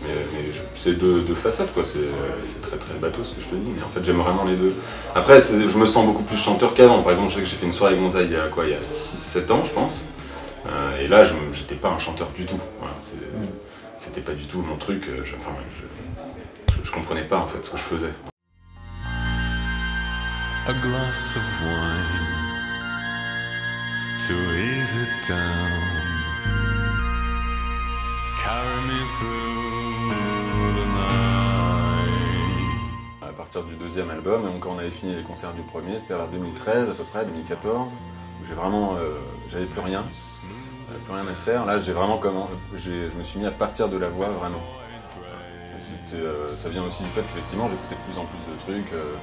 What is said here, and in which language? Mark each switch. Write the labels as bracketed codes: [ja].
[fr] Mais c'est deux facettes quoi, c'est très très bateau ce que je te dis, mais en fait j'aime vraiment les deux. Après je me sens beaucoup plus chanteur qu'avant. Par exemple je sais que j'ai fait une soirée avec Gonzaï il y a 6-7 ans je pense, et là j'étais pas un chanteur du tout, voilà, c'était pas du tout mon truc, je comprenais pas en fait ce que je faisais. [en] A glass of wine to ease it down. Carry me through the night. [fr] À partir du deuxième album, donc quand on avait fini les concerts du premier, c'était vers 2013 à peu près, 2014, où j'ai vraiment, j'avais plus rien, j'avais plus rien à faire. Là, j'ai vraiment je me suis mis à partir de la voix vraiment. Ça vient aussi du fait qu'effectivement, j'écoutais de plus en plus de trucs.